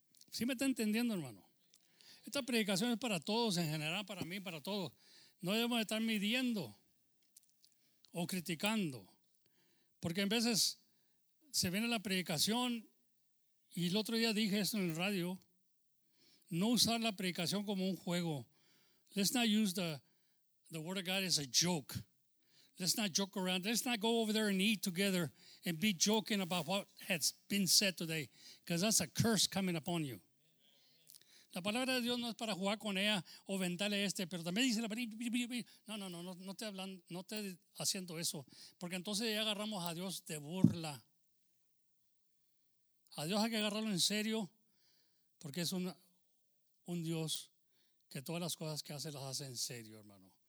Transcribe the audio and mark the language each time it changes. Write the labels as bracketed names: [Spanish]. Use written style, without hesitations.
[Spanish] ¿Sí me está entendiendo, hermano? Esta predicación es para todos, en general, para mí, para todos. No debemos estar midiendo o criticando. Porque en veces se viene la predicación y el otro día dije esto en el radio, no usar la predicación como un juego. [English] Let's not use the word of God as a joke. Let's not joke around. Let's not go over there and eat together and be joking about what has been said today, because that's a curse coming upon you. [Spanish] La palabra de Dios no es para jugar con ella o ventarle este, pero también dice la palabra. No te hablando, no te haciendo eso, porque entonces ya agarramos a Dios de burla. A Dios hay que agarrarlo en serio, porque es un Dios que todas las cosas que hace las hace en serio, hermano.